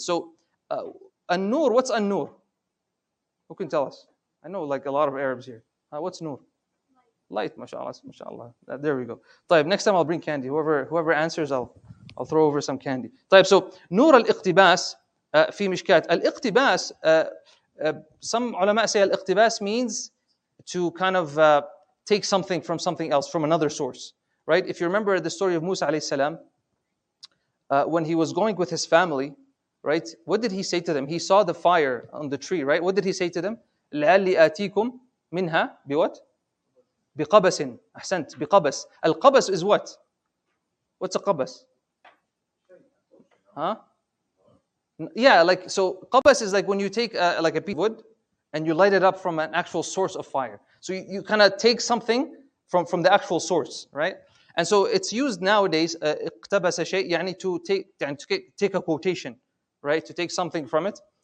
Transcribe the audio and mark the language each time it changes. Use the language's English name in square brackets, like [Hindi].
[English] So an-Nur, what's an-Nur? Who can tell us? I know like a lot of Arabs here. What's Nur? Light, mashallah, mashallah. There we go. طيب, next time I'll bring candy. Whoever answers, I'll throw over some candy. [Arabic] طيب, so, نور الاقتباس في مشكات. [English] الاقتباس, some ulama say الاقتباس means to kind of take something from something else, from another source, right? If you remember the story of Musa alayhi salam, when he was going with his family, right? What did he say to them? He saw the fire on the tree, right? What did he say to them? [Arabic] لعلي آتيكم منها بوات؟ بقبس أحسنت بقبس القبس [English] is what? What's a قبس? Huh? Yeah, like, so قبس is like when you take like a piece of wood and you light it up from an actual source of fire. So you kind of take something from the actual source, right? And so it's used nowadays [Arabic] اقتبس شيء يعني [English] to take, يعني to take a quotation, right? To take something from it.